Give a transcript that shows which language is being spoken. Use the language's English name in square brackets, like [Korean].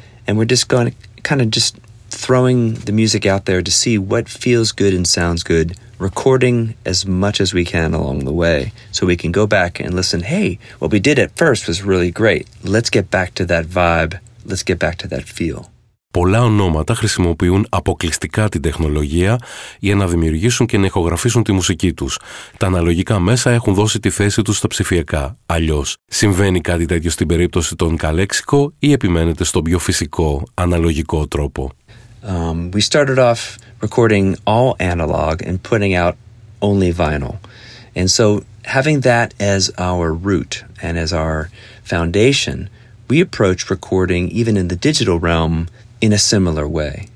[English] And we're just going to kind of just throwing the music out there to see what feels good and sounds good, recording as much as we can along the way so we can go back and listen, hey, what we did at first was really great. Let's get back to that vibe. Let's get back to that feel. [Greek] Πολλά ονόματα χρησιμοποιούν αποκλειστικά την τεχνολογία για να δημιουργήσουν και να ηχογραφήσουν τη μουσική τους. Τα αναλογικά μέσα έχουν δώσει τη θέση τους στα ψηφιακά. Αλλιώς, συμβαίνει κάτι τέτοιο στην περίπτωση των Καλέξικο ή επιμένετε στον πιο φυσικό, αναλογικό τρόπο? [English] We started off recording all analog and putting out only vinyl. And so having that as our root and as our foundation, we approach recording even in the digital realm in a similar way.